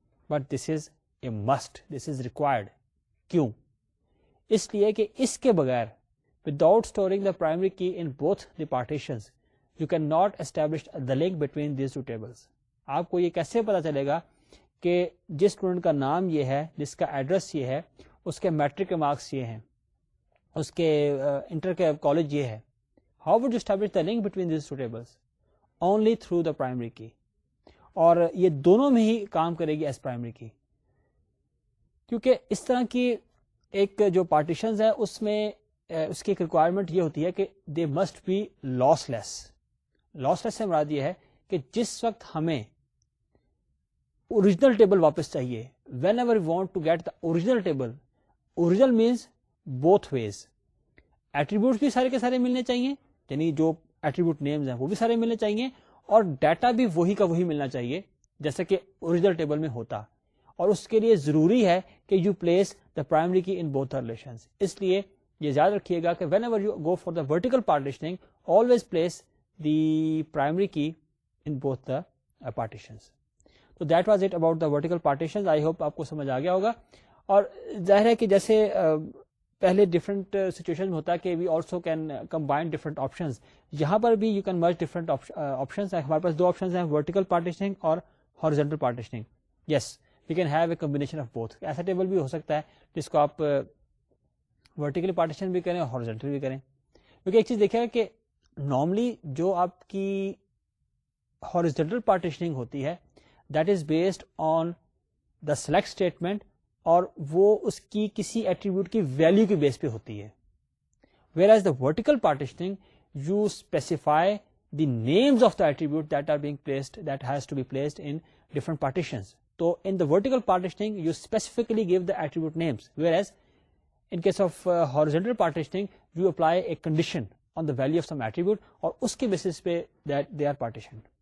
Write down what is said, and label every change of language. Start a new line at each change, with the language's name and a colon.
English: But this is a must, this is required.
Urdu: کیوں؟ اس لیے کہ اس کے بغیر
English: Without storing the primary key in both the partitions you can not establish the link between these two tables.
Urdu: آپ کو یہ کیسے پتا چلے گا کہ جس اسٹوڈنٹ کا نام یہ ہے, جس کا ایڈریس یہ ہے, اس کے میٹرک کے مارکس یہ ہیں, اس کے انٹر کے کالج یہ ہے.
English: How would you establish the link between these two tables? Only through the primary key.
Urdu: اور یہ دونوں میں ہی کام کرے گی
English: as primary key,
Urdu: کیونکہ اس طرح کی ایک جو پارٹیشنز ہے اس میں اس کی ایک ریکوائرمنٹ یہ ہوتی ہے کہ
English: They must be lossless.
Urdu: لاس لیس سے مراد یہ ہے کہ جس وقت ہمیں اوریجنل ٹیبل واپس چاہیے,
English: whenever we want to get the original table, original means both ways,
Urdu: attribute بھی سارے کے سارے ملنے چاہیے, یعنی جو ایٹریبیوٹ نیمز ہیں وہ بھی سارے ملنے چاہیے, اور ڈیٹا بھی وہی کا وہی ملنا چاہیے جیسا کہ اوریجنل ٹیبل میں ہوتا. اور اس کے لیے ضروری ہے کہ
English: You place the primary key in both relations.
Urdu: اس لیے یہ یاد رکھیے گا کہ
English: Whenever you go for the vertical partitioning always place the primary key in both the partitions. تو that was it about the vertical partitions. I hope
Urdu: آپ کو سمجھ آ گیا ہوگا. اور ظاہر ہے کہ جیسے پہلے ڈفرنٹ سچویشن ہوتا ہے کہ
English: we also can combine different options,
Urdu: یہاں پر بھی
English: You can merge different options.
Urdu: ہمارے پاس دو آپشنز ہیں, ورٹیکل پارٹیشننگ اور horizontal partitioning.
English: Yes, we can have a combination of both.
Urdu: ایسا ٹیبل بھی ہو سکتا ہے جس کو آپ ورٹیکل پارٹیشن بھی کریں اور ہارزنٹل بھی کریں. کیونکہ ایک چیز دیکھیے کہ نارملی جو آپ کی ہارزنٹل پارٹیشننگ ہوتی ہے
English: that is based on the select statement,
Urdu: اور وہ اس کی کسی ایٹریبیوٹ کی ویلیو کے بیس پہ ہوتی ہے.
English: Whereas the vertical partitioning you specify the names of the attribute that are being placed, that has to be placed in different partitions. تو in the vertical partitioning you specifically give the attribute names, whereas in case of horizontal partitioning you apply a condition on the value of some attribute,
Urdu: اور اس کے basis پہ
English: That they are partition.